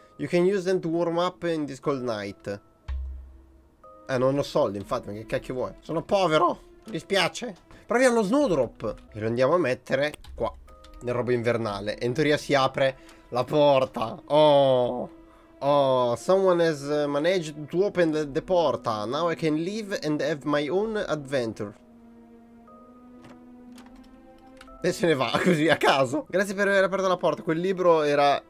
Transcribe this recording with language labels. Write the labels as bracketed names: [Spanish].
[English] You can use them to warm up in this cold night. [Italian] Non ho soldi, infatti, ma che cacchio vuoi? Sono povero, mi dispiace. Però abbiamo lo snowdrop. E lo andiamo a mettere qua, nel robo invernale. E in teoria si apre la porta. [English] Oh, someone has managed to open the porta. Now I can leave and have my own adventure. [Italian] E se ne va così a caso. Grazie per aver aperto la porta. Quel libro era...